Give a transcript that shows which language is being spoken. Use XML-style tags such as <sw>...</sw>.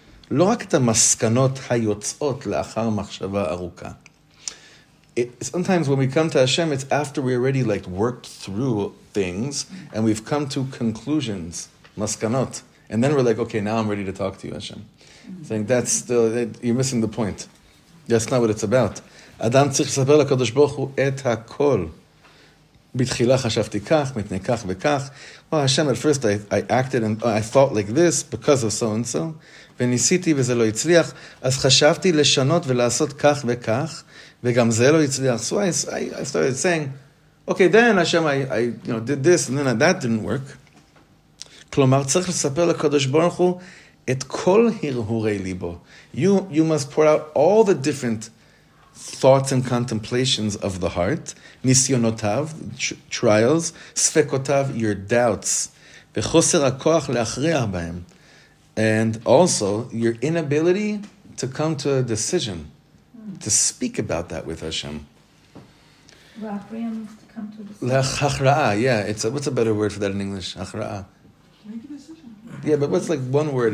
<he>לא רק את המסקנות היוצאות לאחר מחשבה ארוכה.</he> <en>Sometimes when we come to Hashem, it's after we already like worked through things and we've come to conclusions, מסקנות. And then we're like, okay, now I'm ready to talk to you, Hashem. Saying that's still, you're missing the point. That's not what it's about.</en> <he>אדם צריך לספר לקדוש ברוך הוא את הכל. בתחילה חשבתי כך, מתנה כך וכך.</he> <en>Well, Hashem, at first I acted and I thought like this because of so and so.</en> <he>וניסיתי וזה לא הצליח, אז חשבתי לשנות ולעשות כך וכך, וגם זה לא הצליח.</he> <en>So I started saying, okay, then Hashem, I did this, and then that didn't work.</en> <he>כלומר, צריך לספר לקדוש ברוך הוא את כל הרהורי ליבו.</he> <en>You must pour out all the different thoughts and contemplations of the heart,</en> <he>ניסיונותיו,</he> <en>trials,</en> <he>ספקותיו,</he> <en>your doubts,</en> <he>וחוסר הכוח להכריע בהם.</he> <en>And also, your inability to come to a decision, to speak about that with Hashem. L'achra'ah, yeah. What's a better word for that in English?</en> <he>Achra'ah.</he> <en>Make a decision. Yeah, but what's like one word?</en>